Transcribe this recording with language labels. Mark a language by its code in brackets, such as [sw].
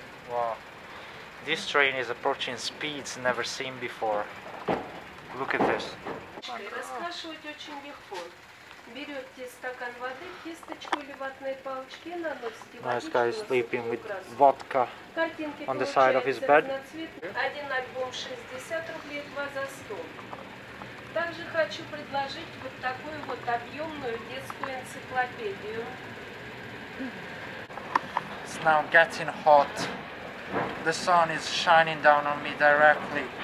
[en] Wow, this train is approaching speeds never seen before. Look at this. [ru] Расхаживать очень легко. Берете стакан воды, кисточку или ватные палочки, наносите водичку. [en] Nice guy is sleeping with vodka on the side of his bed. [ru] Один альбом 60 рублей, два за 100. Также хочу предложить вот такую вот объемную детскую энциклопедию. [en] It's now getting hot. The sun is shining down on me directly.